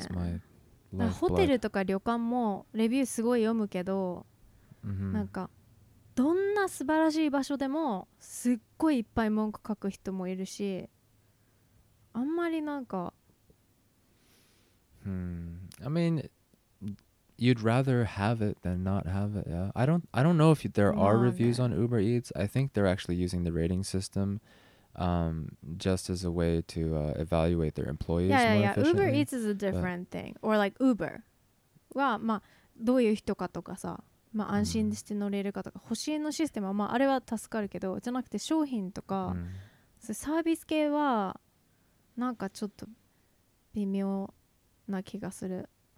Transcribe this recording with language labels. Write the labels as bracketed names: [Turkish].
[English] It's my [Japanese] ホテルとか旅館もレビューすごい読むけど、 mm-hmm. なんかどんな素晴らしい場所でもすっごいいっぱい文句書く人もいるし、あんまりなんか、 [English] hmm. I mean... You'd rather have it than not have it, yeah. I don't know if there are reviews on Uber Eats. I think they're actually using the rating system just as a way to evaluate their employees more efficiently. Yeah, Uber Eats is a different thing. Or like Uber. Well, [Japanese] まあ、どういう人かとかさ、まあ、安心して乗れるかとか、星のシステムは、まあ、あれは助かるけど、じゃなくて商品とか、サービス系はなんかちょっと微妙な気がする。